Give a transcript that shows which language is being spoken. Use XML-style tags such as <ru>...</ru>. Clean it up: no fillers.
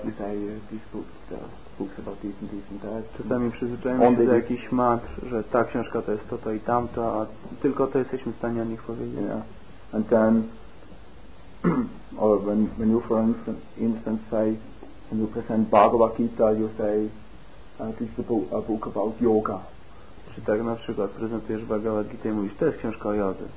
<en>We say this book, books about this and this and that.</en> <pl>Czasami przyzwyczajamy się do jakichś mantr, że ta książka to jest to i tamto, a tylko to jesteśmy w stanie o nich powiedzieć.</pl> <en>Yeah. And then, or when you, for instance, say, when you present Bhagavad Gita, you say, this is a book about yoga.</en> <pl>Czy tak na przykład prezentujesz Bhagavad Gita i mówisz, to jest książka o jodze.</pl>